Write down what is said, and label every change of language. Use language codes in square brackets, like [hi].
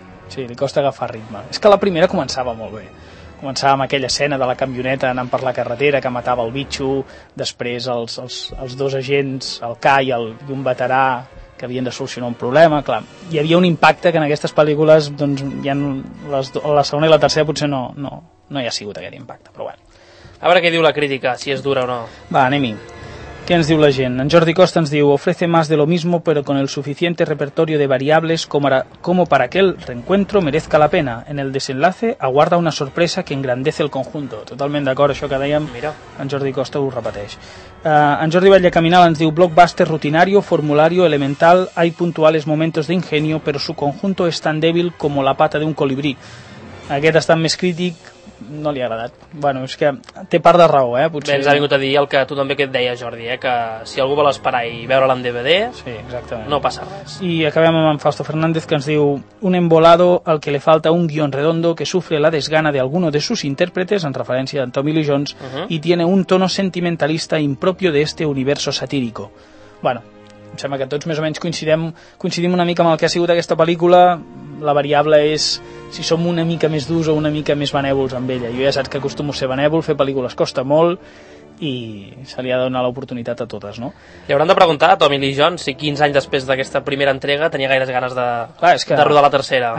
[ca] Sí, li costa agafar ritme. És que la primera començava molt bé. Començava amb aquella escena de la camioneta anant per la carretera que matava el bitxo, després els dos agents, el Kai i un veterà, que havien de solucionar un problema, clar. Hi havia un impacte que en aquestes pel·lícules, doncs, hi ha la segona i la tercera potser no hi ha sigut aquest impacte, però bueno. A veure què diu la crítica, si és dura o no. Va, anem-hi. Què ens diu la gent? En Jordi Costa ens diu: [es] ofrece más de lo mismo, pero con el suficiente repertorio de variables como para que el reencuentro merezca la pena. En el desenlace aguarda una sorpresa que engrandece el conjunto. [ca] Totalment d'acord, això que dèiem. Mira, en Jordi Costa ho repeteix. En Jordi Vallecaminal ens diu: [es] blockbuster rutinario, formulario, elemental, hay puntuales momentos de ingenio, pero su conjunto es tan débil como la pata de un colibrí. [ca] Aquest està més crític... No li ha agradat. Bueno, és que té part de raó, potser. Bé, ens ha vingut a dir el que tu també que et deia, Jordi, que si algú vol esperar i veure-la en DVD, sí, exactament, no passa res. I acabem amb en Fausto Fernández, que ens diu: [es] un embolado al que le falta un guión redondo que sufre la desgana de alguno de sus intérpretes, [ca] en referència a [es] Tommy Lee Jones, y tiene un tono sentimentalista impropio de este universo satírico. [ca] Bueno, em sembla que tots més o menys coincidim una mica amb el que ha sigut aquesta pel·lícula. La variable és si som una mica més durs o una mica més benèvols amb ella. Jo ja saps que acostumo a ser benèvol, fer pel·lícules costa molt, i se li ha de donar l'oportunitat a totes, no? Li hauran de preguntar a Tommy Lee Jones si 15 anys després d'aquesta primera entrega tenia gaires ganes de, clar, és que de rodar la tercera.